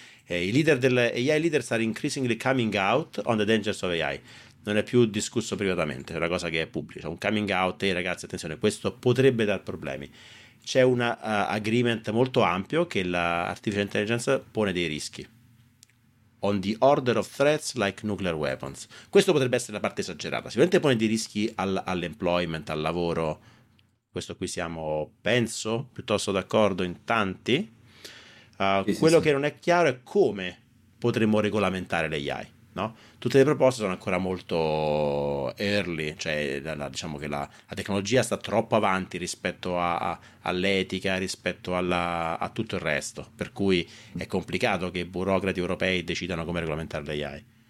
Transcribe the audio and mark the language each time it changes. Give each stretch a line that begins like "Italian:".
Italian: I leader
English: AI leaders are increasingly coming out on the dangers of AI.
Italian: Non è più discusso privatamente, è una cosa che è pubblica, un coming out, ragazzi, attenzione, questo potrebbe dar problemi. C'è un agreement molto ampio che l'artificial intelligence pone dei rischi.
English: On the order of threats like nuclear weapons.
Italian: Questo potrebbe essere la parte esagerata. Sicuramente pone dei rischi all'employment, al lavoro. Questo qui siamo, penso, piuttosto d'accordo in tanti. Quello che non è chiaro è come potremmo regolamentare le AI. No? Tutte le proposte sono ancora molto early, cioè diciamo che la tecnologia sta troppo avanti rispetto all'etica, rispetto a tutto il resto, per cui è complicato che burocrati europei decidano come regolamentare l'AI.